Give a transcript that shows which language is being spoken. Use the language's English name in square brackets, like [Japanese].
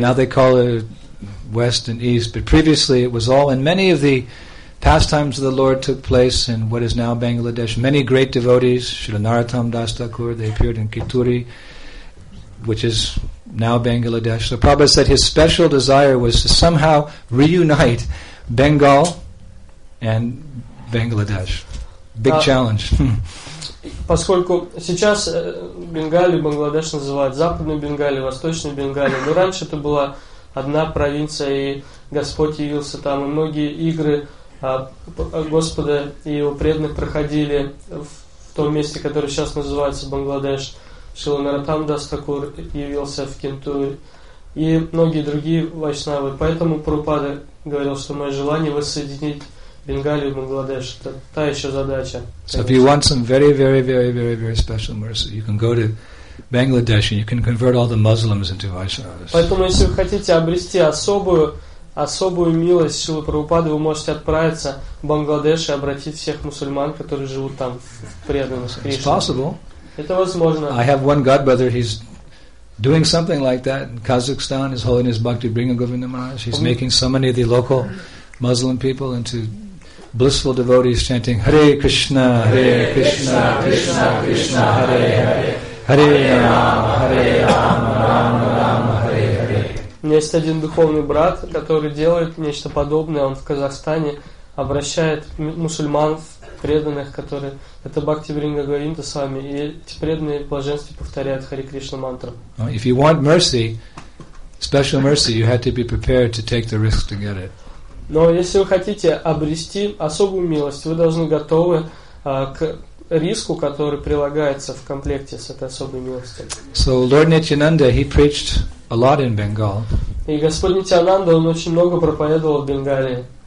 [English] Now they call it West and East, but previously it was all, and many of the pastimes of the Lord took place in what is now Bangladesh. Many great devotees, Srila Narottam Das Thakur, they appeared in Kituri, which is now Bangladesh. So Prabhupada said his special desire was to somehow reunite Bengal and Bangladesh. Big challenge. [Russian] Поскольку сейчас Бенгалию Бангладеш называют Западной Бенгалией, Восточной Бенгалией, но раньше это была одна провинция, и Господь явился там, и многие игры Господа и его преданных проходили в том месте, которое сейчас называется Бангладеш. Шрила Нараттам Дас Такур явился в Кентури и многие другие вайшнавы. Поэтому Прабхупада говорил, что мое желание воссоединить Бенгалию и Бангладеш — это та еще задача. [English] So if you want some very, very, very, very, very special mercy, you can go to Bangladesh and you can convert all the Muslims into Vaishnavas. [Russian] Поэтому если вы хотите обрести особую милость Шрилы Прабхупады, вы можете отправиться в Бангладеш и обратить всех мусульман, которые живут там, в преданность Кришне. [English] It's possible. [Russian] Это возможно. [English] I have one godbrother, he's doing something like that in Kazakhstan, His Holiness Bhakti Bringagovinda Maharaj. He's making so many of the local Muslim people into blissful devotees chanting Hare Krishna, Hare Krishna, Hare Krishna, Krishna Krishna, Hare Hare. Hare Rama, Hare Rama, Rama Rama, Hare Hare. [Russian] У меня есть один духовный брат, который делает нечто подобное. Он в Казахстане обращает мусульман в преданных, которые это Бхакти Вринга Говинда с вами, и эти преданные блаженства повторяют Хари Кришна мантру. [English] If you want mercy, special mercy, you have to be prepared to take the risk to get it. [Russian] Но если вы хотите обрести особую милость, вы должны готовы к риску, который прилагается в комплекте с этой особой милостью. [English] So Lord Nityananda, he preached a lot in Bengal. [Russian] И Господь Нитянанда, он очень много проповедовал в Бенгалии.